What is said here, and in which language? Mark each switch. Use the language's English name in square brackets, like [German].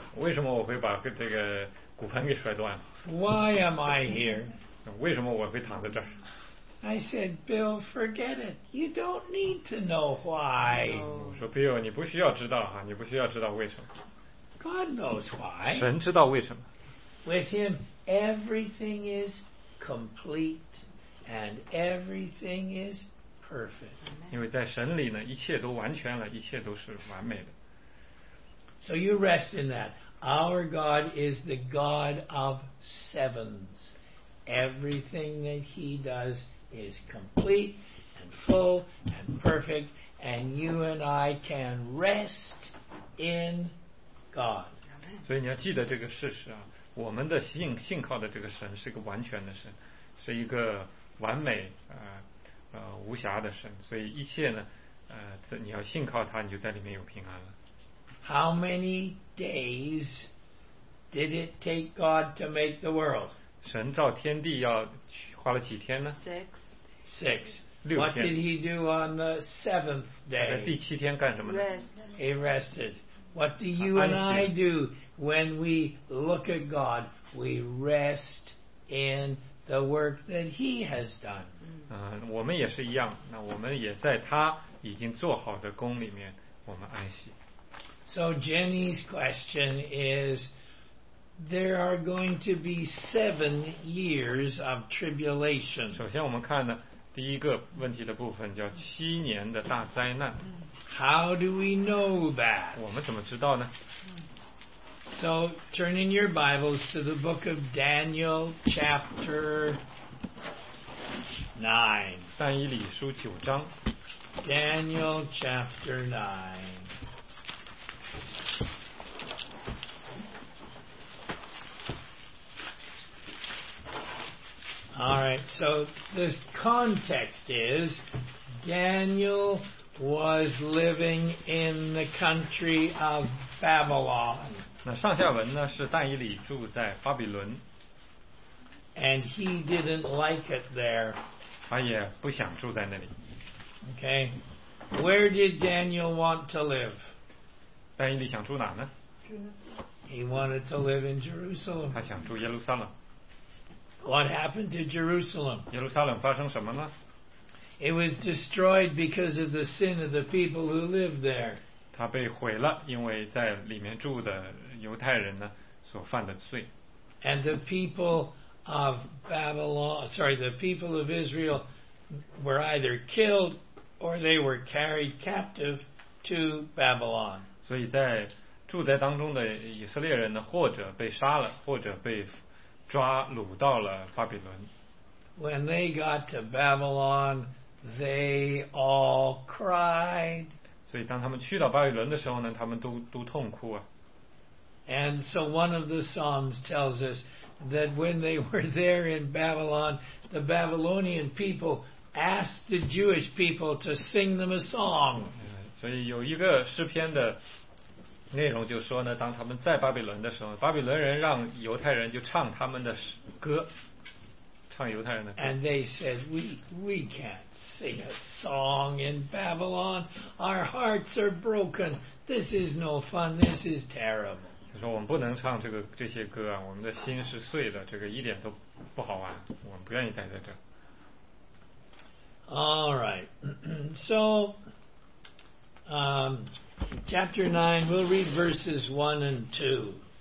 [Chinese] 为什么我会把这个骨盆给摔断 [English] ？Why am I here? [Chinese] 为什么我会躺在这儿？ [English] I said, Bill, forget it. You don't need to know why. [Chinese] 我说 Bill, 你不需要知道哈，你不需要知道为什么。 [English] God knows why. [Chinese] 神知道为什么。 [English] With him, everything is complete and everything is perfect. [Chinese] 因为在神里呢，一切都完全了，一切都是完美的。 [English] So you rest in that. Our God is the God of sevens. Everything that he does is complete and full and perfect, and you and I can rest in God. [Chinese] 所以你要记得这个事实啊，我们的信靠的这个神是一个完全的神，是一个完美无瑕的神，所以一切呢你要信靠他，你就在里面有平安了。 [English] How many days did it take God to make the world? [Chinese] 神造天地要花了几天呢? [English] Six. What did he do on the seventh day? [Chinese] 第七天干什么呢? [English] Rest. He rested. What do you and I do when we look at God? We rest in the work that he has done. [Chinese] 我们也是一样，那我们也在他已经做好的工里面，我们安息。 [English] So Jenny's question is, there are going to be 7 years of tribulation. [Chinese] 首先我们看呢，第一个问题的部分叫七年的大灾难。 [English] How do we know that? [Chinese] 我们怎么知道呢？ [English] So turn in your Bibles to the book of Daniel chapter 9. [Chinese] 但以理书九章。 [English] Daniel chapter 9. All right, so the context is Daniel was living in the country of Babylon. [Chinese] 那上下文呢，是但以理住在巴比伦。 [English] And he didn't like it there. [Chinese] 他也不想住在那里。 [English] Okay, where did Daniel want to live? [Chinese] 但以理想住哪呢？ [English] He wanted to live in Jerusalem. [Chinese] 他想住耶路撒冷。 [English] What happened to Jerusalem? [Chinese] 耶路撒冷发生什么呢? [English] It was destroyed because of the sin of the people who lived there. [Chinese] 它被毁了，因为在里面住的犹太人呢所犯的罪。 [English] And the people of Babylon, sorry, the people of Israel were either killed or they were carried captive to Babylon. [Chinese] 所以在住在当中的以色列人呢，或者被杀了，或者被抓掳到了巴比伦。 [English] When they got to Babylon, they all cried. [Chinese] 所以当他们去到巴比伦的时候呢，他们都痛哭啊。 [English] And so one of the Psalms tells us that when they were there in Babylon, the Babylonian people asked the Jewish people to sing them a song. [Chinese] 所以有一个诗篇的内容就说呢，当他们在巴比伦的时候，巴比伦人让犹太人就唱他们的歌，唱犹太人的歌。 [English] And they said, we can't sing a song in Babylon. Our hearts are broken. This is no fun. This is terrible. [Chinese] 他说我们不能唱这些歌啊，我们的心是碎的，这个一点都不好玩，我们不愿意待在这。 [English] All right, so. Chapter 9, we'll read verses 1 and 2.